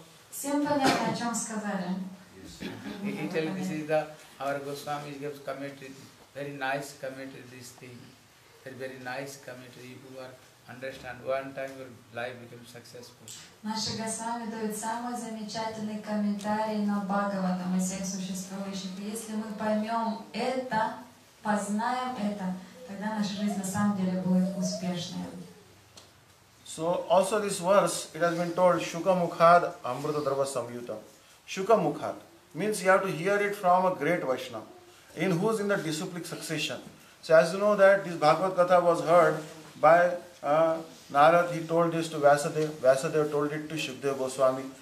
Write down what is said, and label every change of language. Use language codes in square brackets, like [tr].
[ru] Всем понятно, о чем сказали? [en] He tell this is the our Goswami gives commentary, very nice commentary this thing. Very nice commentary. You are understand one time your life becomes successful. [ru] Наши Госвами дают самый замечательный комментарий на Бхагаватам и всех существующих. Если мы поймем это, познаем это, тогда наша жизнь на самом деле будет успешной. [en] So also this verse, it has been told, Shuka Mukhad Amrita Drava Samyuta. Shuka Mukhad means you have to hear it from a great Vaishnava, in who is in the disciplic succession. So as you know that this Bhagavad Gatha was heard by Narad, he told this to Vyasadeva, Vyasadeva told it to Shukdeva Goswami.